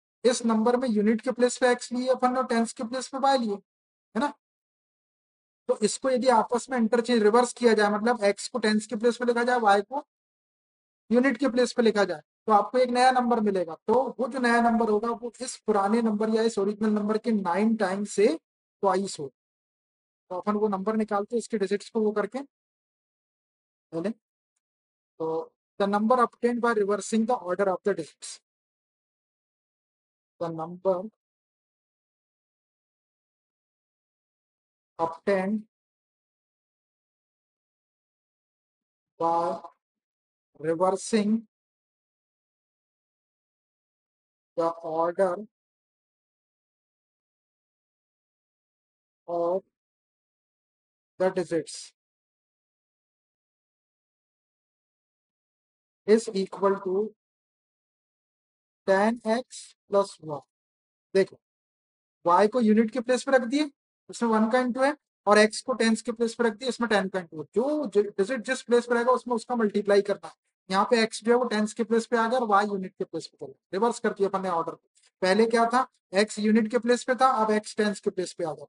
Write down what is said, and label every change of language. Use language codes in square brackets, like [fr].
[hi] इस नंबर में यूनिट के प्लेस पे एक्स लिए अपन और टेंस के प्लेस पे वाई लिए, है ना, तो इसको यदि आपस में इंटरचेंज रिवर्स किया जाए, मतलब x को टेंस के प्लेस पे लिखा जाए, y को यूनिट के प्लेस पे लिखा जाए, तो आपको एक नया नंबर मिलेगा, तो वो जो नया नंबर होगा वो इस पुराने नंबर या इस ओरिजिनल नंबर के 9 टाइम्स से ट्वाइस हो, तो अपन वो नंबर निकालते हैं इसके डिजिट्स को वो करके, तो [en] The number obtained by reversing the order of the digits. The number obtained by reversing the order of the digits is equal to 10x plus 1. [hi] देखो y को यूनिट के प्लेस पे रख दिए उसमें 1 का इंटू है और x को 10 के प्लेस पे रख दिए इसमें 10 का इंटू है. जो डिजिट जिस प्लेस पे रहेगा उसमें उसका मल्टीप्लाई करना है. यहाँ पे x जो है वो 10 के प्लेस पे आ गया और y यूनिट के प्लेस पे आ गया. रिवर्स कर दिया अपन ने ऑर्डर. पहले क्या था x यूनिट के प्लेस पे था अब x 10 के प्लेस पे आ गया.